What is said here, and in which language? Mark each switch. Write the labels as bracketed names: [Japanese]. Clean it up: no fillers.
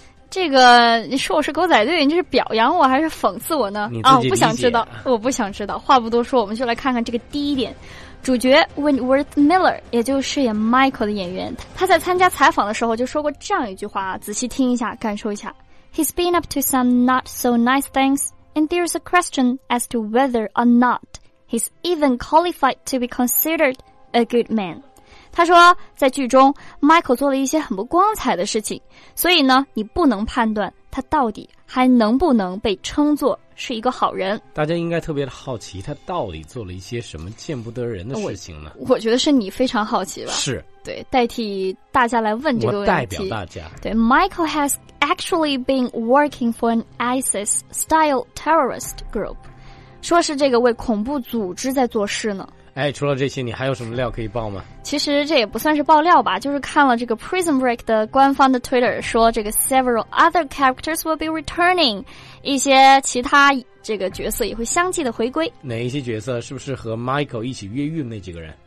[Chinese] 这个你说我是狗仔队，你这是表扬我还是讽刺我呢？啊，我不想知道，我不想知道。话不多说，我们就来看看这个第一点。主角 Wentworth Miller， 也就是饰演 Michael 的演员，他在参加采访的时候就说过这样一句话，仔细听一下，感受一下。 [English] He's been up to some not so nice things, and there's a question as to whether or not he's even qualified to be considered a good man. [Chinese] 他说在剧中 Michael 做了一些很不光彩的事情，所以呢你不能判断他到底还能不能被称作是一个好人。大家应该特别的好奇他到底做了一些什么见不得人的事情呢？我觉得是你非常好奇吧。是，对，代替大家来问这个问题。我代表大家。 [English] 对， Michael has actually been working for an ISIS style terrorist group， [Chinese] 说是这个为恐怖组织在做事呢。哎，除了这些你还有什么料可以爆吗？其实这也不算是爆料吧，就是看了这个 Prison Break 的官方的 Twitter， 说这个 [English] several other characters will be returning， [Chinese] 一些其他这个角色也会相继的回归。哪一些角色？是不是和 Michael 一起越狱那几个人？